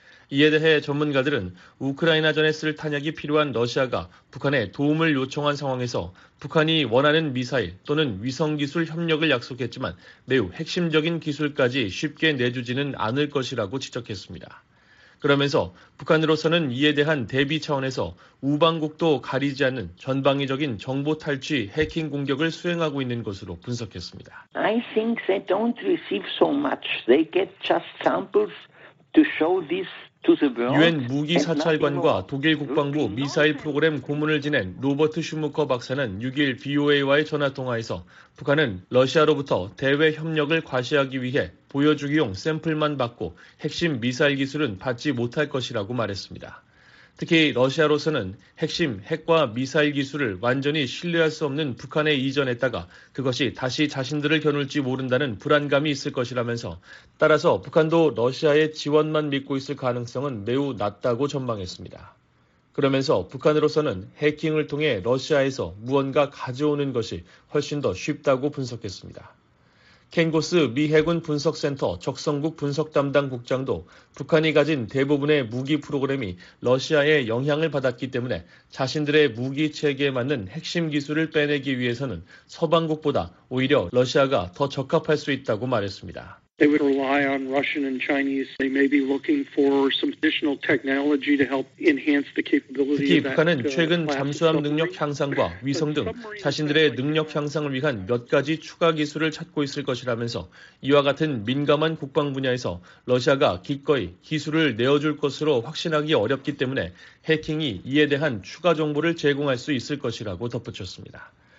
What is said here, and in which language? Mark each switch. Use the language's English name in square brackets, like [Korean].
[Korean] 이에 대해 전문가들은 우크라이나전에 쓸 탄약이 필요한 러시아가 북한에 도움을 요청한 상황에서 북한이 원하는 미사일 또는 위성기술 협력을 약속했지만 매우 핵심적인 기술까지 쉽게 내주지는 않을 것이라고 지적했습니다. 그러면서 북한으로서는 이에 대한 대비 차원에서 우방국도 가리지 않는 전방위적인 정보 탈취 해킹 공격을 수행하고 있는 것으로 분석했습니다. [English] I think they don't receive so much. They get just samples to show this to the world. [Korean] 유엔 무기 사찰관과 독일 국방부 미사일 프로그램 고문을 지낸 로버트 슈무커 박사는 6일 VOA와의 전화 통화에서 북한은 러시아로부터 대외 협력을 과시하기 위해 보여주기용 샘플만 받고 핵심 미사일 기술은 받지 못할 것이라고 말했습니다. 특히 러시아로서는 핵심 핵과 미사일 기술을 완전히 신뢰할 수 없는 북한에 이전했다가 그것이 다시 자신들을 겨눌지 모른다는 불안감이 있을 것이라면서 따라서 북한도 러시아의 지원만 믿고 있을 가능성은 매우 낮다고 전망했습니다. 그러면서 북한으로서는 해킹을 통해 러시아에서 무언가 가져오는 것이 훨씬 더 쉽다고 분석했습니다. 켄고스 미 해군 분석센터 적성국 분석 담당 국장도 북한이 가진 대부분의 무기 프로그램이 러시아의 영향을 받았기 때문에 자신들의 무기 체계에 맞는 핵심 기술을 빼내기 위해서는 서방국보다 오히려 러시아가 더 적합할 수 있다고 말했습니다. [English] They would rely on Russian and Chinese. They may be looking for some additional technology to help enhance the capability. [Korean] 특히 북한은 최근 잠수함 능력 향상과 위성 등 자신들의 능력 향상을 위한 몇 가지 추가 기술을 찾고 있을 것이라면서 이와 같은 민감한 국방 분야에서 러시아가 기꺼이 기술을 내어줄 것으로 확신하기 어렵기 때문에 해킹이 이에 대한 추가 정보를 제공할 수 있을 것이라고 덧붙였습니다.